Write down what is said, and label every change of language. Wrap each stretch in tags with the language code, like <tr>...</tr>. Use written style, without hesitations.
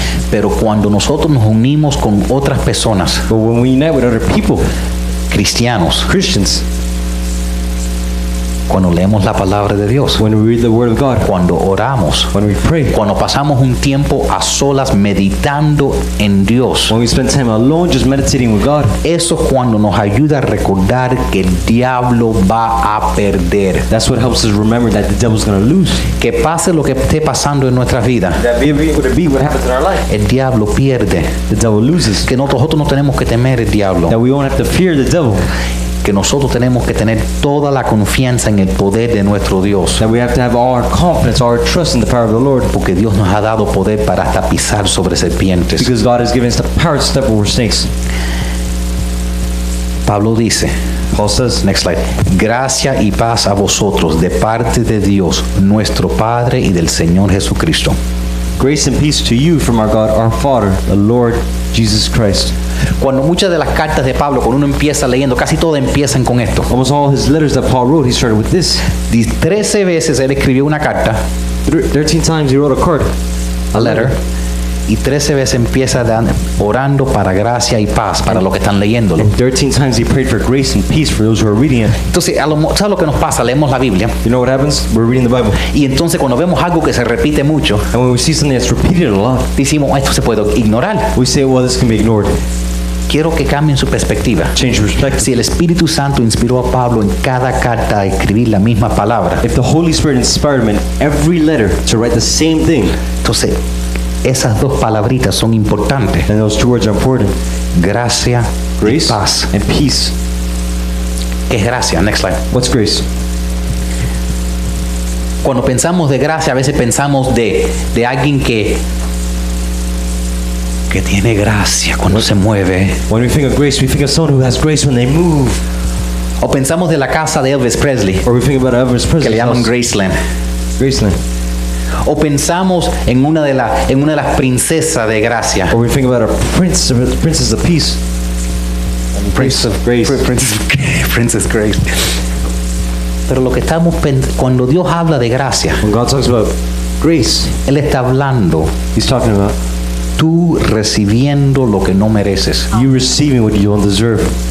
<es>Pero cuando nosotros nos unimos con otras personas,</es> <en>but when we unite with other people,</en> <es>cristianos,</es> <en>Christians,</en> <es>cuando leemos la palabra de Dios,</es> <en>when we read the word of God,</en> <es>cuando oramos,</es> <en>when we pray,</en> <es>cuando pasamos un tiempo a solas meditando en Dios,</es> <en>when we spend time alone just meditating with God,</en> <es>eso es cuando nos ayuda a recordar que el diablo va a perder.</es> <en>That's what helps us remember that the devil's going to lose.</en> <es>Que pase lo que esté pasando en nuestra vida,</es> <en>that be what happens in our life,</en> <es>el diablo pierde.</es> <en>The devil loses.</en> <es>Que nosotros no tenemos que temer el diablo.</es> <en>That we won't have to fear the devil.</en> <es>Que nosotros tenemos que tener toda la confianza en el poder de nuestro Dios.</es> <en>That we have to have all our confidence, all our trust in the power of the Lord.</en> <es>Porque Dios nos ha dado poder para hasta pisar sobre serpientes.</es> <en>Because God has given us the power to step over snakes.</en> <es>Pablo dice,</es> <en>Paul says, next slide,</en> <es>gracia y paz a vosotros de parte de Dios, nuestro Padre y del Señor Jesucristo.</es> <en>Grace and peace to you from our God, our Father, the Lord Jesus Christ.</en> <es>Cuando muchas de las cartas de Pablo, cuando uno empieza leyendo, casi todas empiezan con esto.</es> <en>Almost all his letters that Paul wrote, he started with this.</en> <es>13 veces él escribió una carta.</es> <en>13 times he wrote a card. A letter.</en> <es>Y 13 veces empieza orando para gracia y paz para los que están leyéndolo.</es> <en>And 13 times he prayed for grace and peace for those who are reading it.</en> <es>Entonces, ¿sabes lo que nos pasa? Leemos la Biblia.</es> <en>You know what happens? We're reading the Bible.</en> <es>Y entonces cuando vemos algo que se repite mucho,</es> <en>and when we see something that's repeated a lot,</en> <es>decimos, esto se puede ignorar.</es> <en>We say, well, this can be ignored.</en> <es>Quiero que cambien su perspectiva.</es> <en>Change your perspective.</en> <es>Si el Espíritu Santo inspiró a Pablo en cada carta a escribir la misma palabra,</es> <en>if the Holy Spirit inspired him in every letter to write the same thing,</en> <es>entonces esas dos palabritas son importantes.</es> <en>And those two words are important.</en> <es>Gracia,</es> <en>grace,</en> <es>y paz.</es> <en>And peace.</en> <es>¿Qué es gracia?</es> <en>Next slide. What's grace?</en> <es>Cuando pensamos de gracia, a veces pensamos de alguien que tiene gracia cuando se mueve.</es> <en>When we think of grace, we think of someone who has grace when they move.</en> <es>O pensamos de la casa de Elvis Presley.</es> <en>Or we think about Elvis Presley.</en> <es>Que le llaman Graceland.</es> <en>Graceland.</en> <es>O pensamos en una de las princesas de gracia.</es> <en>Or we think about a princess of peace. Princess of grace. Princess of grace.</en> <es>Pero lo que estamos cuando Dios habla de gracia.</es> <en>When God talks about grace.</en> <es>Él está hablando.</es> <en>He's talking about</en> <es>tú recibiendo lo que no mereces.</es> <en>You receiving what you don't deserve.</en>